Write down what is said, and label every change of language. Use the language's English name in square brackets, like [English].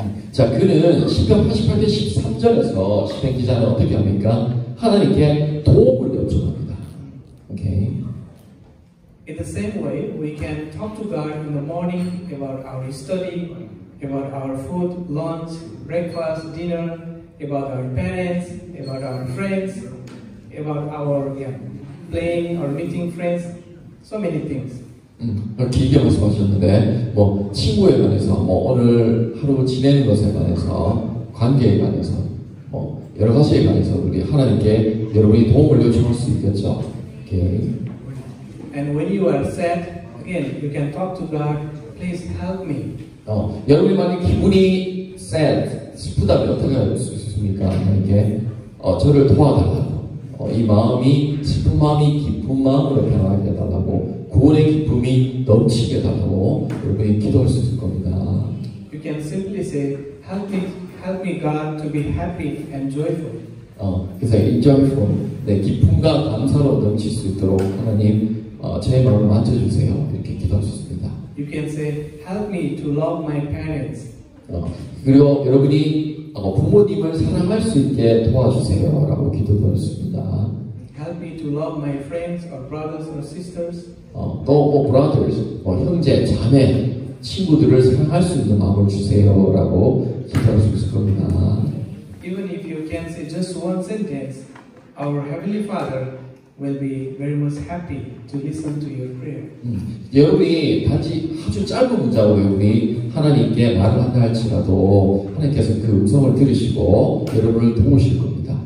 [Korean] 자, 그는 시편 88편 13절에서 시편 기자는 어떻게 합니까? 하나님께 도움을 요청합니다. [English] Okay. In the same way, we can talk to God in the morning about our study. About our food, lunch, breakfast, dinner, about our parents, about our friends, about our playing or meeting friends, so many things. [Korean] 길게 말씀하셨는데, 뭐 친구에 관해서, 뭐 오늘 하루 지내는 것에 관해서, 관계에 관해서, 뭐 여러 가지에 관해서 우리 하나님께 여러분이 도움을 요청할 수 있겠죠. [English] Okay. And when you are sad, again, you can talk to God. Please help me. [Korean] 여러분이 만약 기분이 sad, 슬프다면 어떻게 할 수 있습니까? 하나님께 저를 도와달라고 이 마음이 슬픈 마음이 기쁜 마음으로 변화하게 해달라고 구원의 기쁨이 넘치게 해달라고 여러분이 기도할 수 있을 겁니다. [English] You You can simply say, help me God to be happy and joyful. [Korean] 그래서 [English] in joyful, [Korean] 내 기쁨과 감사로 넘칠 수 있도록 하나님 제 마음을 만져주세요. 이렇게 기도하셨습니다. [English] You can say, help me to love my parents. [Korean] 그리고 여러분이 부모님을 사랑할 수 있게 도와주세요. 라고 기도드렸습니다. [English] Help me to love my friends or brothers or sisters. [Korean] 또 뭐 brothers, 뭐 형제, 자매, 친구들을 사랑할 수 있는 마음을 주세요. 라고 기도할 수 있을 겁니다. [English] Even if you can say just one sentence, our Heavenly Father will be very much happy to listen to your prayer. [Korean] 여러분이 단지 아주 짧은 문자로 여러분이 하나님께 말을 한다 할지라도 하나님께서 그 음성을 들으시고 여러분을 도우실 겁니다.